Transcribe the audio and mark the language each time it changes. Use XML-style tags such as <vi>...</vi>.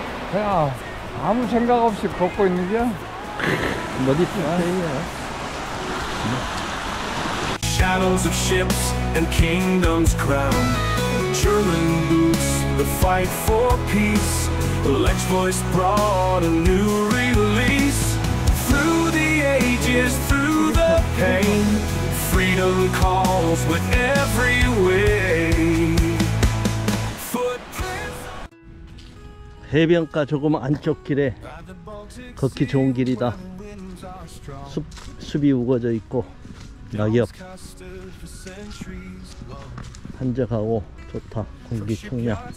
<ko>그냥 아무 생각 없이 걷고 있는 게 멋있지 않아요?</ko> <en>Shadows of ships and kingdoms crown. German boots, the fight for peace. Lech's voice brought a new release. Through the ages, through the pain, freedom calls with every wave.</en> <ko>해변가 조금 안쪽 길에 걷기 좋은 길이다. 숲이 우거져 있고 낙엽 한적하고 좋다. 공기 청량.</ko>